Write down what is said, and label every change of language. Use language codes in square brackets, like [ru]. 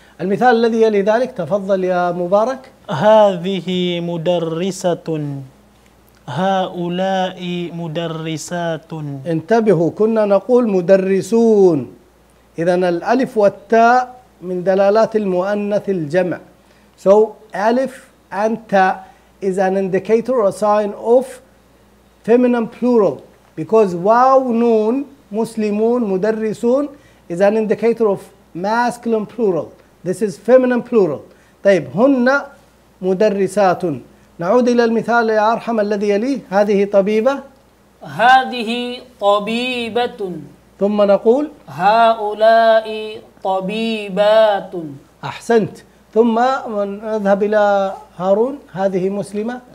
[ar] المثال الذي يلي ذلك، تفضل يا مبارك. هذه مدرسة. هؤلاء مدرسات. انتبهوا، كنا نقول مدرسون. إذا الألف والتاء من دلالات المؤنث الجمع. [en] So ألف and تاء is an indicator or a sign of feminine plural, because [ar] واو نون مسلمون مدرسون [en] is an indicator of masculine plural. This is feminine plural. [ar] طيب، هن مدرسات. نعود إلى المثال يا أرحم الذي يليه. هذه طبيبة. هذه طبيبة. ثم نقول هؤلاء طبيبات. أحسنت، ثم نذهب إلى هارون. هذه مسلمة.